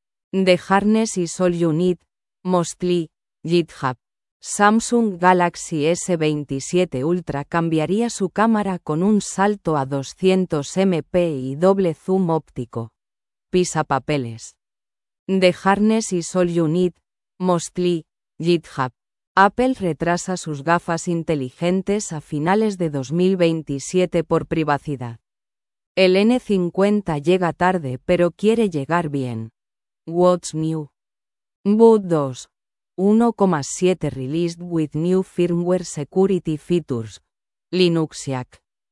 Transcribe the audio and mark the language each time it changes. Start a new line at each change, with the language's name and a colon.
English: The Harness is all you need, mostly, GitHub.
Spanish: Samsung Galaxy S27 Ultra cambiaría su cámara con un salto a 200 MP y doble zoom óptico. Pisa papeles.
English: The Harness is all you need, mostly, GitHub.
Spanish: Apple retrasa sus gafas inteligentes a finales de 2027 por privacidad. El N50 llega tarde, pero quiere llegar bien.
English: What's new? Boot 2. 1.7 released with new firmware security features. Linuxiac.